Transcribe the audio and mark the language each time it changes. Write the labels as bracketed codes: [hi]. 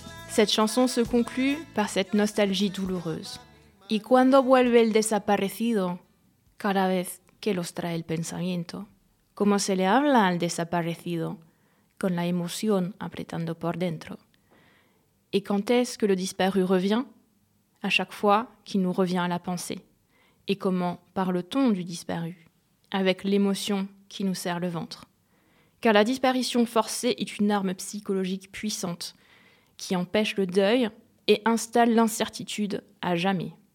[fr] Cette chanson se conclut par cette nostalgie douloureuse. [es] Y cuando vuelve el desaparecido, cada vez que los trae el pensamiento. ¿Cómo se le habla al desaparecido? con la emoción apretando por dentro. [fr] Et quand est-ce que le disparu revient? À chaque fois qu'il nous revient à la pensée. Et comment parle-t-on du disparu? Avec l'émotion qui nous serre le ventre. Car la disparition forcée est une arme psychologique puissante qui empêche le deuil et installe l'incertitude à jamais.